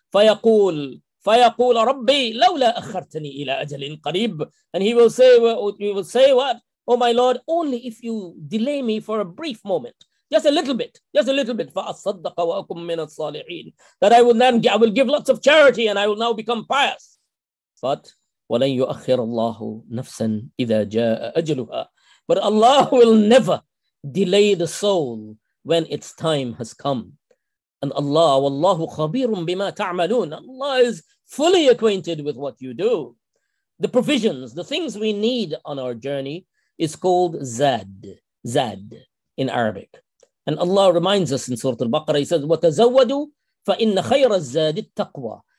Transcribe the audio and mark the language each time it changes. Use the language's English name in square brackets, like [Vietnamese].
[Arabic] فَيَقُولَ رَبِّي لَوْلَا أَخَّرْتَنِي إِلَىٰ أَجَلٍ قَرِيبٍ. [English] And he will say what? Oh my Lord, only if you delay me for a brief moment. Just a little bit. [Arabic] فَأَصَّدَّقَ وَأَكُمْ مِنَ الصَّالِحِينَ. [English] That I will give lots of charity and I will now become pious. But [Arabic] وَلَنْ يُؤَخِّرَ اللَّهُ نَفْسًا إِذَا جَاءَ أَجَلُهَا. [English] But Allah will never delay the soul when its time has come. And Allah, [Arabic] وَاللَّهُ خَبِيرٌ بِمَا تَعْمَلُونَ. [English] Allah is fully acquainted with what you do. The provisions, the things we need on our journey is called Zad in Arabic. And Allah reminds us in Surah Al-Baqarah, he says, [Arabic] وَتَزَوَّدُوا فَإِنَّ خَيْرَ الزَّادِ التَّقْوَى.